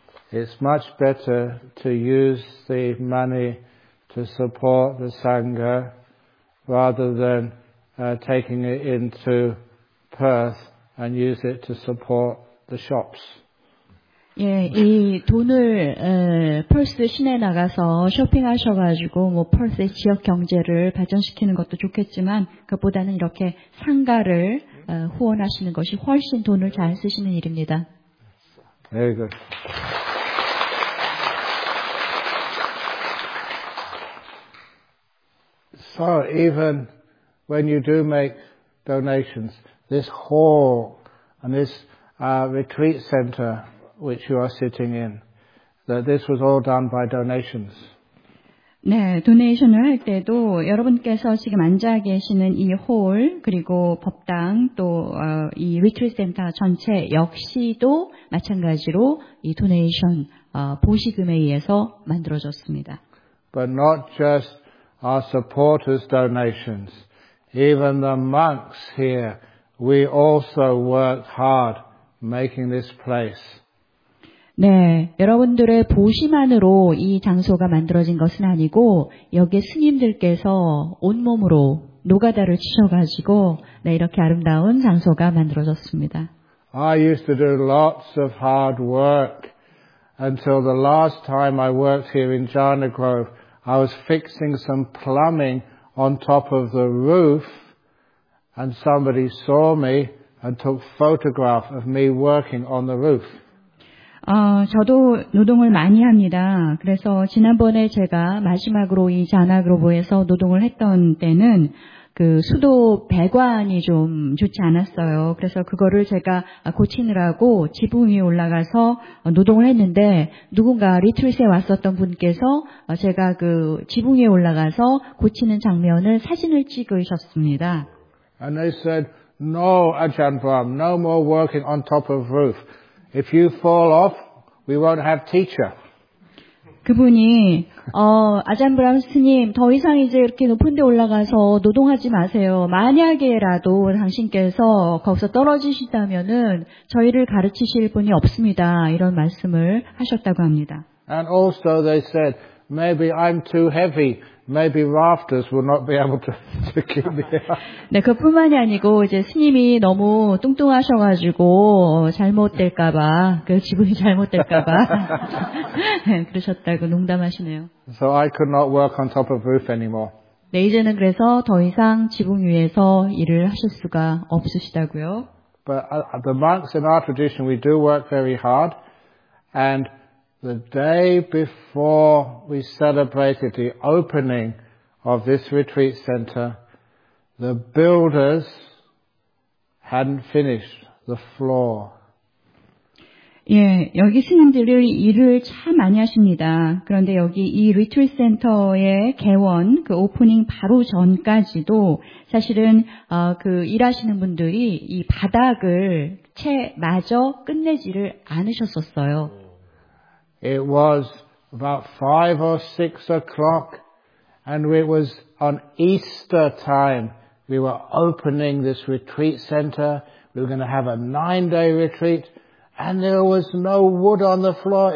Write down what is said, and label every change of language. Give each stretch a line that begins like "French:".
English: It's much better to use the money to support the sangha. Rather than taking it into Perth and use it to support the shops.
Korean: 예, 이 돈을 Perth 시내 나가서 쇼핑하셔가지고 뭐 Perth의 지역 경제를 발전시키는 것도 좋겠지만 그보다는 이렇게 상가를 후원하시는 것이 훨씬 돈을 잘 쓰시는 일입니다.
English: Very good. So even when you do make donations, this hall and this retreat center which you are sitting in, that this was all done by donations.
Korean: 네, 도네이션을 할 때도 여러분께서 지금 앉아 계시는 이 홀 그리고 법당 또 이 retreat center 전체 역시도 마찬가지로 이 도네이션 보시금에 의해서 만들어졌습니다.
English: But not just our supporters' donations. Even the monks here, we also worked hard making this place.
Korean: 네, 여러분들의 보시만으로 이 장소가 만들어진 것은 아니고 여기 스님들께서 온몸으로 노가다를 치셔가지고 네, 이렇게 아름다운 장소가 만들어졌습니다.
English: I used to do lots of hard work until the last time I worked here in Jhana Grove. I was fixing some plumbing on top of the roof and somebody saw me and took photograph of me working on the roof.
Korean: 저도 노동을 많이 합니다. 그래서 지난번에 제가 마지막으로 이 자나그로브에서 노동을 했던 때는 그 수도 배관이 좀 좋지 않았어요. 그래서 그거를 제가 고치느라고 지붕 위에 올라가서 노동을 했는데 누군가 리트릿에 왔었던 분께서 제가 그 지붕 위에 올라가서 고치는 장면을 사진을 찍으셨습니다.
English: And I said, no, Ajahn Brahm, no more working on top of roof. If you fall off, we won't have teacher.
Korean: 그분이 아잔 브람 스님 더 이상 이제 이렇게 높은 데 올라가서 노동하지 마세요. 만약에라도 당신께서 거기서 떨어지신다면은 저희를 가르치실 분이 없습니다. 이런 말씀을 하셨다고 합니다.
English: And also they said maybe I'm too heavy. Maybe rafters will not be able to keep me.
Korean: 네, 그뿐만이 아니고 이제 스님이 너무 뚱뚱하셔 가지고 잘못될까 봐. 그 지붕이 잘못될까 봐. 그러셨다고 농담하시네요.
English: So I could not work on top of roof anymore.
Korean: 네, 이제는 그래서 더 이상 지붕 위에서 일을 하실 수가 없으시다고요.
English: But the monks in our tradition we do work very hard and the day before we celebrated the opening of this retreat center, the builders hadn't finished the floor.
Korean: 예, 여기 스님들이 일을 참 많이 하십니다. 그런데 여기 이 리트리 센터의 개원, 그 오프닝 바로 전까지도 사실은 그 일하시는 분들이 이 바닥을 채 마저 끝내지를 않으셨었어요.
English: It was about 5 or 6 o'clock, and it was on Easter time. We were opening this retreat center. We were going to have a 9-day retreat, and there was no wood on the floor.